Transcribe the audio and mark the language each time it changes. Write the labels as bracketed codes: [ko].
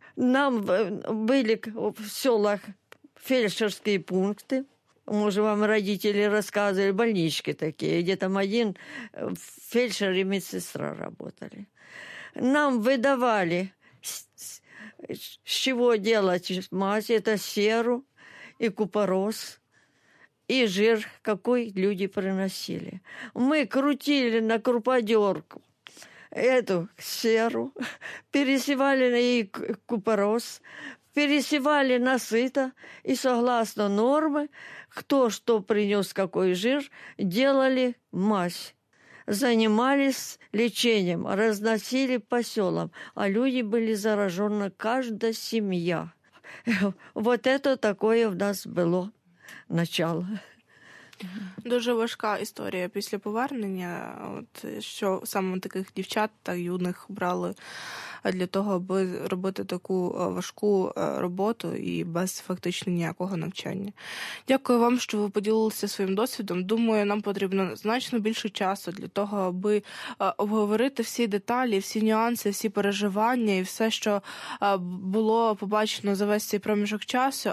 [uk] Нам були в селах фельдшерські пункти, може вам батьки розказували, больнички такі, де там один фельдшер і медсестра працювали. Нам видавали, з чого робити мазь, це серу і купорос. [ru] И жир, какой люди приносили. Мы крутили на крупадерку эту серу, пересевали на ей купорос, пересевали на сыто, и согласно норме, кто что принес, какой жир, делали мазь. Занимались лечением, разносили по селам, а люди были заражены, каждая семья. Вот это такое у нас было. Начало. [uk] Дуже важка історія після повернення, от що саме таких дівчат та юних брали для того, аби робити таку важку роботу і без фактично ніякого навчання. Дякую вам, що ви поділилися своїм досвідом. Думаю, нам потрібно значно більше часу для того, аби обговорити всі деталі, всі нюанси, всі переживання і все, що було побачено за весь цей проміжок часу.